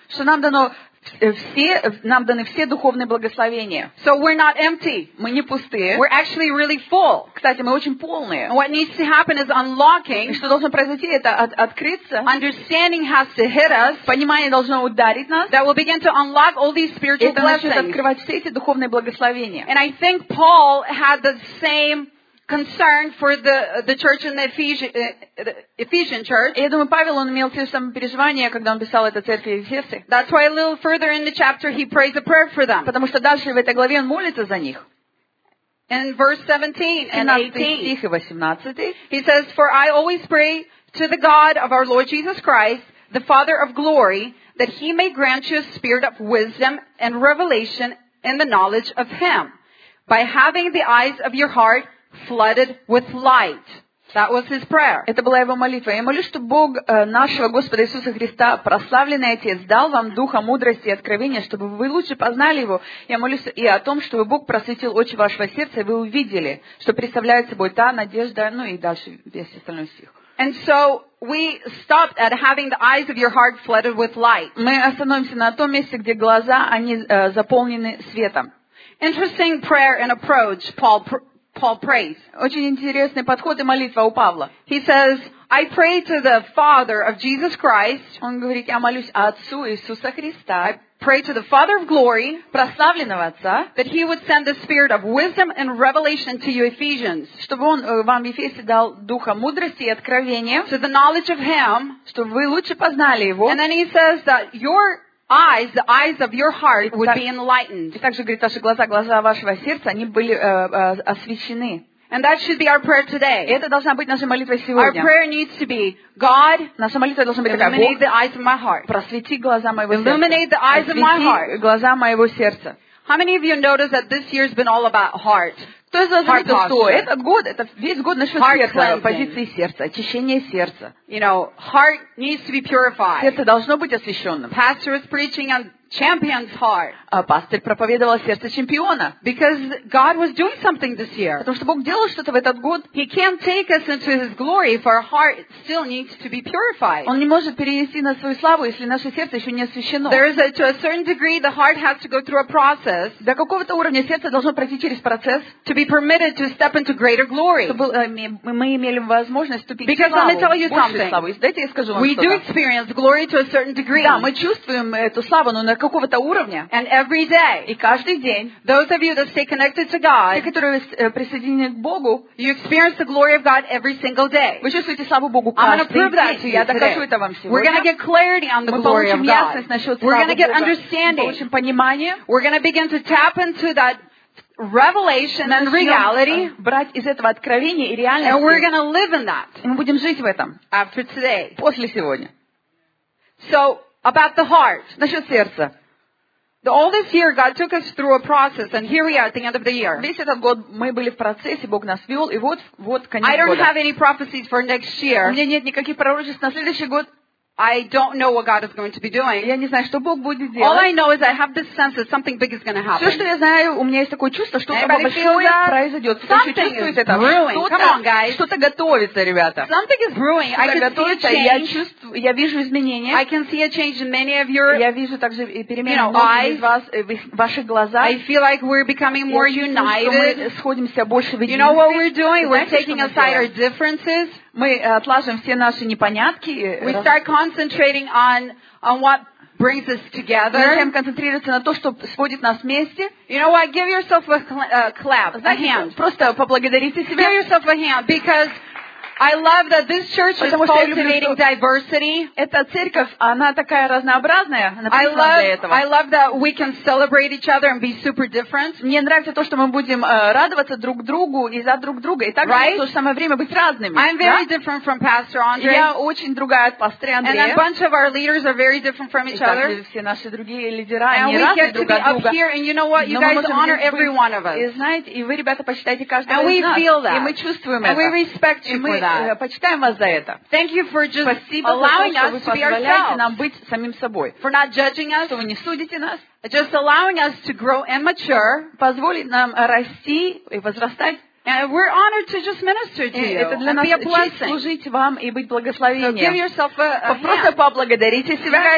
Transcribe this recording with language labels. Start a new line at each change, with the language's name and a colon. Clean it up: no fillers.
Russian: Что нам дано все, нам даны все духовные благословения.
English: So we're not empty.
Russian: Мы не пустые.
English: We're actually really full.
Russian: Кстати, мы очень полные.
English: And what needs to happen is unlocking.
Russian: И что должно произойти, это открыться.
English: Understanding has to hit us.
Russian: Понимание должно ударить нас.
English: That we'll begin to unlock all these spiritual blessings.
Russian: И это начнет открывать все эти духовные благословения.
English: And I think Paul had the same concern for the church in the Ephesian church.
Russian: Я думаю, Павел он имел те же самые переживания, когда он писал это церкви Ефесе.
English: That's why a little further in the chapter he prays a prayer for them.
Russian: Потому что дальше в этой главе он молится за них.
English: In verse 17 and 18, he says, "For I always pray to the God of our Lord Jesus Christ, the Father of glory, that He may grant you a spirit of wisdom and revelation in the knowledge of Him, by having the eyes of your heart flooded with light." That was his prayer.
Russian: Это была его молитва. Я молюсь, чтобы Бог нашего Господа Иисуса Христа, прославленный Отец, дал вам духа мудрости и откровения, чтобы вы лучше познали Его. Я молюсь и о том, чтобы Бог просветил очи вашего сердца, и вы увидели, что представляет собой та надежда, ну и дальше весь остальной стих.
English: And so we stopped at having the eyes of your heart flooded with light.
Russian: Мы остановимся на том месте, где глаза, они заполнены светом.
English: Interesting prayer and approach, Paul prays.
Russian: Очень интересный подход и молитва у Павла.
English: He says, "I pray to the Father of Jesus Christ."
Russian: Он говорит, я молюсь Отцу Иисуса Христа.
English: I pray to the Father of glory,
Russian: прославленного Отца,
English: that He would send the Spirit of wisdom and revelation to you Ephesians.
Russian: Чтобы Он вам в Ефесе дал духа мудрости и откровения.
English: To the knowledge of Him,
Russian: чтобы вы лучше познали Его.
English: And then He says that your eyes, the eyes of your heart would be enlightened.
Russian: И также говорит, ваши глаза, глаза вашего сердца, они были освещены.
English: And that should be our prayer today.
Russian: И это должна быть наша молитва сегодня.
English: Our prayer needs to be, God,
Russian: наша молитва должна быть такая,
English: Бог, illuminate the eyes of my heart.
Russian: Просвети глаза моего сердца.
English: Illuminate the eyes of my heart.
Russian: Просвети глаза моего сердца.
English: How many of you notice that this year's been all about heart?
Russian: Кто из вас заметил, что этот год, это весь год насчет сердца, позиции сердца, очищения сердца.
English: You know, heart needs to be purified.
Russian: Сердце должно быть освященным.
English: Pastor is preaching on champion's heart.
Russian: Пастор проповедовал сердце чемпиона.
English: Because God was doing something this year.
Russian: Потому что Бог делал что-то в этот год.
English: He can't take us into His glory if our heart still needs to be purified.
Russian: Он не может перенести нас в свою славу, если наше сердце еще не освящено.
English: There is to a certain degree the heart has to go through a process.
Russian: До какого-то уровня сердце должно пройти через процесс.
English: To be permitted to step into greater glory.
Russian: Чтобы мы имели возможность вступить в славу.
English: Because let me tell you something.
Russian: Дайте я скажу вам что-то.
English: We do experience glory to a certain degree.
Russian: Да, мы чувствуем эту славу, но на какого-то уровня.
English: And every day.
Russian: И каждый день.
English: Those of you that stay connected to God.
Russian: Те, которые присоединены к Богу.
English: You experience the glory of God every single day.
Russian: Вы чувствуете славу Богу каждый день.
English: I'm going to prove that to you.
Russian: Я докажу это вам сегодня.
English: We're going to get clarity on the glory of God.
Russian: Мы получим ясность насчет славы Бога.
English: We're going to get understanding.
Russian: Мы получим понимание.
English: We're going to begin to tap into that revelation and reality.
Russian: Брать из этого откровение и реальность.
English: And we're going to live in that.
Russian: И мы будем жить в этом.
English: After today.
Russian: После сегодня.
English: So, about the heart.
Russian: Насчет сердца.
English: All this year, God took us through a process, and here we are at the end of the year.
Russian: Весь этот год мы были в процессе, Бог нас вел, и вот, вот конец года.
English: I don't have any prophecies for next year.
Russian: У меня нет никаких пророчеств на следующий год.
English: I don't know what God is going to be doing.
Russian: Я не знаю, что Бог будет делать.
English: All I know is I have this sense that something big is going to happen.
Russian: Все, что я знаю, у меня есть такое чувство, что что-то большое произойдет.
English: Something is brewing. Come on, guys.
Russian: Что-то готовится, ребята.
English: Something is brewing. I can see a change.
Russian: Я чувствую, я вижу изменения.
English: I can see a change in many of your.
Russian: Я вижу также перемены в многих из вас, в ваших глазах.
English: I feel like we're becoming more united.
Russian: Мы сходимся больше в единстве.
English: You know what we're doing? We're taking aside our differences.
Russian: Мы отлажим все наши непонятки.
English: We start concentrating on what brings us together.
Russian: Мы концентрируемся на то, что сводит нас вместе.
English: You know what? Give yourself a clap.
Russian: Знаете,
English: a hand.
Russian: Просто поблагодарите себя.
English: Give yourself a hand because I love that this church is cultivating diversity.
Russian: Эта церковь, она такая разнообразная.
English: I love that we can celebrate each other and be super different.
Russian: Мне нравится то, что мы будем радоваться друг другу и за друг друга. И также
English: right?
Russian: В то же самое время быть разными.
English: I'm very yeah? different from Pastor Andre.
Russian: Я очень другая от пастора Андрея.
English: And a bunch of our leaders are very different from each other.
Russian: И все наши другие лидера,
English: and
Russian: они разные друг от друга.
English: Here, and you know what? You guys honor every one of us.
Russian: И знаете, и вы, ребята, почитайте каждого
English: and
Russian: из нас.
English: And we feel that.
Russian: И мы чувствуем
English: and
Russian: это.
English: And we respect you.
Russian: Почитаем вас за это.
English: Thank you for just
Russian: спасибо
English: allowing
Russian: за то, что вы позволяете нам быть самим собой.
English: For not judging us.
Russian: Что вы не судите нас.
English: Just allowing us to grow and mature.
Russian: Позволить нам расти и возрастать.
English: And we're honored to just minister to you.
Russian: Это для нас честь служить вам и быть благословением.
English: So give yourself a
Russian: просто поблагодарите себя.